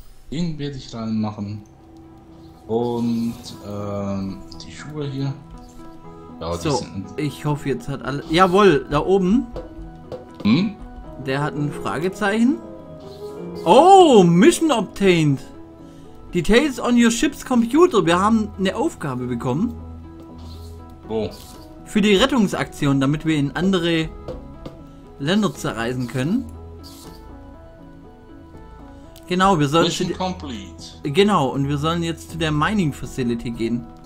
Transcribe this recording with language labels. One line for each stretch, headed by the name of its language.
German: Den werde ich reinmachen. Und, die Schuhe hier. Ja, so, ich hoffe, jetzt hat alle... Jawohl, da oben. Der hat ein Fragezeichen.
English: Oh, Mission obtained. Details on your ship's computer.
German: Wir haben eine Aufgabe bekommen. Oh. Für die Rettungsaktion, damit wir in andere... Länder zerreißen können. Genau, wir sollen...
English: Mission complete.
German: Genau, und wir sollen jetzt zu der Mining Facility gehen.